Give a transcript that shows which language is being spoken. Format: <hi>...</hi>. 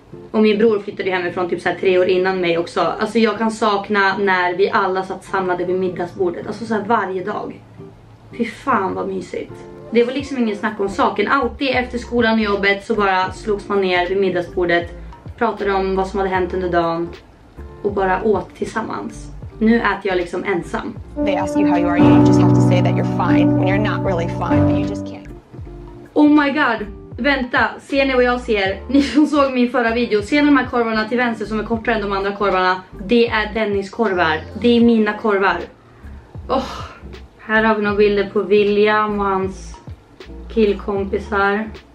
<sv>Och min bror flyttade hemifrån typ så här 3 år innan mig också. Alltså, jag kan sakna när vi alla satt samlade vid middagsbordet. Alltså så här varje dag. Fy fan vad mysigt. Det var liksom ingen snack om saken. Alltid efter skolan och jobbet så bara slogs man ner vid middagsbordet. Pratade om vad som hade hänt under dagen. Och bara åt tillsammans. Nu äter jag liksom ensam.</sv> <en>They ask you how you are, you just have to say that you're fine. When you're not really fine, you just can't. Oh my god.</en> <sv>Vänta, ser ni vad jag ser? Ni som såg min förra video, ser ni de här korvarna till vänster som är kortare än de andra korvarna? Det är Dennis korvar. Det är mina korvar. Oh, här har vi några bilder på William och hans killkompisar.</sv>